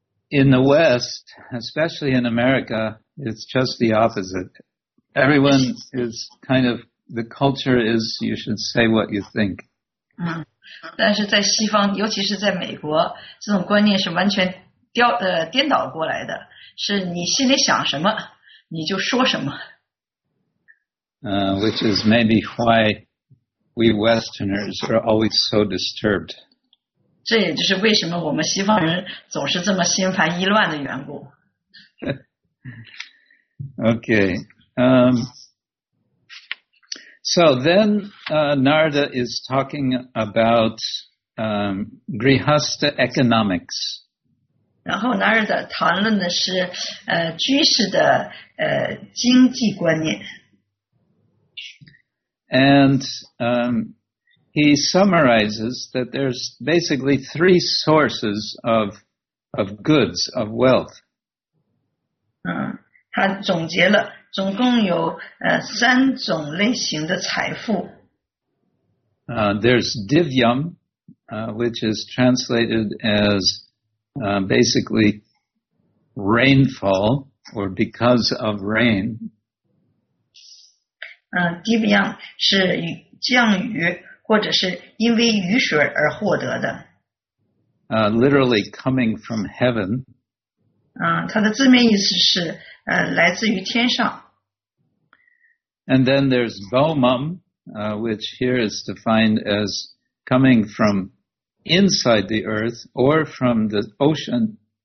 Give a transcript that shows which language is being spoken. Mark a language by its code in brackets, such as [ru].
[en] In the West, especially in America, it's just the opposite. Everyone is kind of, the culture is you should say what you think. [zh] 但是在西方，尤其是在美国，这种观念是完全颠倒过来的，是你心里想什么，你就说什么。 [en] Which is maybe why we Westerners are always so disturbed. [zh] 这也就是为什么我们西方人总是这么心烦意乱的缘故。 [en] Okay. So then, Narada is talking about Grihastha economics. [zh] 然后 Narada 谈论的是居士的经济观念。 [en] And he summarizes that there's basically three sources of goods, of wealth. [zh] 他总结了总共有三种类型的财富。 [en] There's divyam, which is translated as basically rainfall or because of rain. [zh] Divyam 是降雨或者是因为雨水而获得的。 [en] Literally coming from heaven. [zh] 它的字面意思是来自于天上。 [en] And then there's bomam, which here is defined as coming from inside the earth or from the ocean.